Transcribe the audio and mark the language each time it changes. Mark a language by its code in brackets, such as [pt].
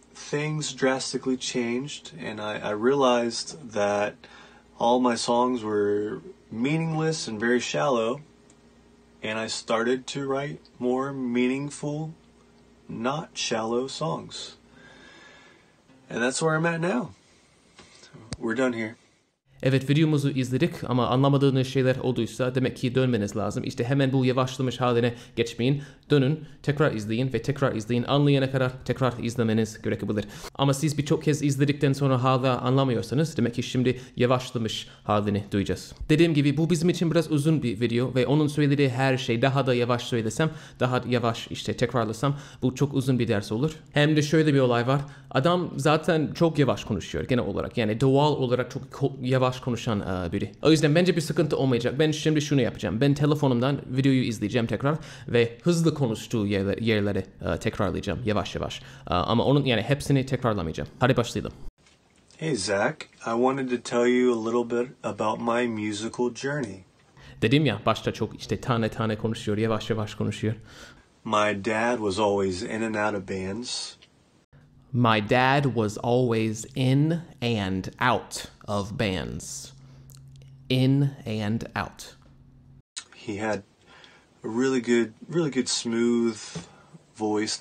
[en] things drastically changed, and I realized that all my songs were meaningless and very shallow, and I started to write more meaningful, not shallow songs. And that's where I'm at now. We're done here. [tr] Evet, videomuzu izledik ama anlamadığınız şeyler olduysa demek ki dönmeniz lazım. İşte hemen bu yavaşlamış haline geçmeyin. Dönün, tekrar izleyin ve tekrar izleyin. Anlayana kadar tekrar izlemeniz gerekebilir. Ama siz birçok kez izledikten sonra hala anlamıyorsanız demek ki şimdi yavaşlamış halini duyacağız. Dediğim gibi bu bizim için biraz uzun bir video ve onun söylediği her şey daha da yavaş söylesem, daha yavaş işte tekrarlasam bu çok uzun bir ders olur. Hem de şöyle bir olay var. Adam zaten çok yavaş konuşuyor genel olarak. Yani doğal olarak çok yavaş konuşan biri. O yüzden bence bir sıkıntı olmayacak. Ben şimdi şunu yapacağım. Ben telefonumdan videoyu izleyeceğim tekrar ve hızlı konuştuğu yerleri tekrarlayacağım yavaş yavaş. Ama onun yani hepsini tekrarlamayacağım. Hadi başlayalım. [en] Hey Zach, I wanted to tell you a little bit about my musical journey. [tr] Dedim ya, başta çok işte tane tane konuşuyor, yavaş yavaş konuşuyor. [en] My dad was always in and out of bands. My dad was always in and out of bands. In and out. He had a really good smooth voice.